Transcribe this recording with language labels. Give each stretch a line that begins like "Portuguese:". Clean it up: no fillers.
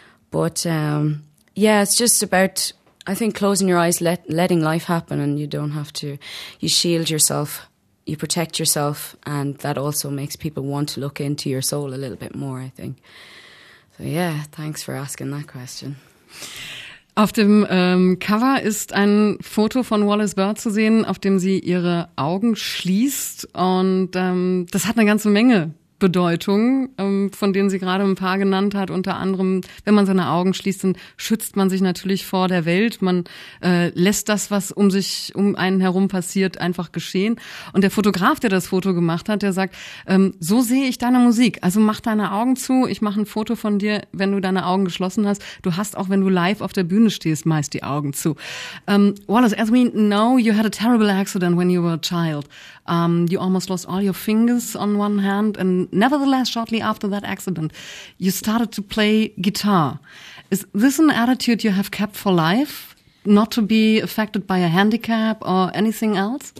English: But yeah, it's just about... I think closing your eyes, letting life happen, and you don't have to, you shield yourself, you protect yourself, and that also makes people want to look into your soul a little bit more, I think. So yeah, thanks for asking that question.
German: Auf dem Cover ist ein Foto von Wallace Bird zu sehen, auf dem sie ihre Augen schließt, und das hat eine ganze Menge Bedeutung, von denen sie gerade ein paar genannt hat, unter anderem, wenn man seine Augen schließt, dann schützt man sich natürlich vor der Welt, man lässt das, was um einen herum passiert, einfach geschehen. Und der Fotograf, der das Foto gemacht hat, der sagt, so sehe ich deine Musik, also mach deine Augen zu, ich mache ein Foto von dir, wenn du deine Augen geschlossen hast, du hast auch, wenn du live auf der Bühne stehst, meist die Augen zu.
English: Wallace, as we know, you had a terrible accident when you were a child. You almost lost all your fingers on one hand, and nevertheless, shortly after that accident, you started to play guitar. Is this an attitude you have kept for life, not to be affected by a handicap or anything else?